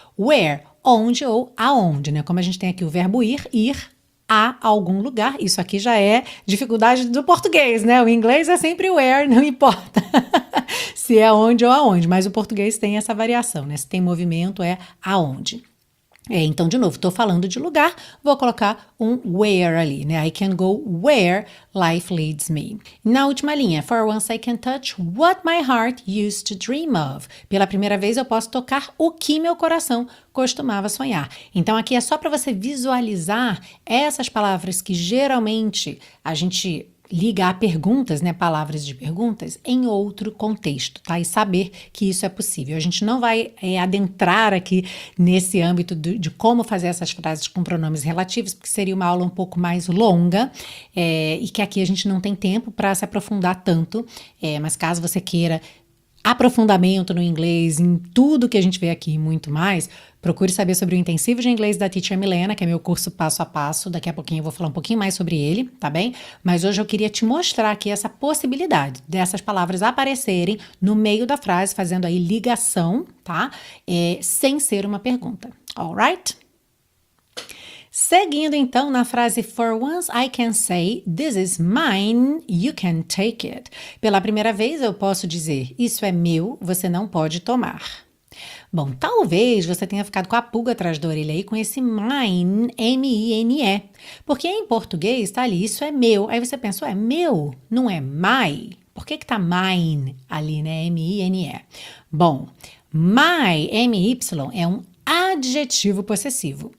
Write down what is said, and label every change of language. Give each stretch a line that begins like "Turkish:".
Portuguese: Where, onde ou aonde, né? Como a gente tem aqui o verbo ir, ir a algum lugar, isso aqui já é dificuldade do português, né? O inglês é sempre where, não importa se é onde ou aonde, mas o português tem essa variação, né? Se tem movimento, é aonde. Então, de novo, tô falando de lugar, vou colocar um where ali, né?
English: I can go where life leads me.
Portuguese: Na última linha,
English: for once I can touch what my heart used to dream of.
Portuguese: Pela primeira vez eu posso tocar o que meu coração costumava sonhar. Então, aqui é só para você visualizar essas palavras que geralmente a gente liga a perguntas, né? Palavras de perguntas em outro contexto, tá? E saber que isso é possível. A gente não vai adentrar aqui nesse âmbito de como fazer essas frases com pronomes relativos, porque seria uma aula um pouco mais longa e que aqui a gente não tem tempo para se aprofundar tanto, mas caso você queira aprofundamento no inglês, em tudo que a gente vê aqui e muito mais, procure saber sobre o intensivo de inglês da Teacher Milena, que é meu curso passo a passo. Daqui a pouquinho eu vou falar um pouquinho mais sobre ele, tá bem? Mas hoje eu queria te mostrar aqui essa possibilidade dessas palavras aparecerem no meio da frase, fazendo aí ligação, tá? Sem ser uma pergunta, alright? Seguindo então na frase,
English: for once I can say, this is mine, you can take it.
Portuguese: Pela primeira vez eu posso dizer, isso é meu, você não pode tomar. Bom, talvez você tenha ficado com a pulga atrás da orelha aí com esse mine, M-I-N-E. Porque em português tá ali, isso é meu. Aí você pensa, é meu, não é my. Por que que tá mine ali, né, M-I-N-E? Bom, my, M-Y, é um adjetivo possessivo.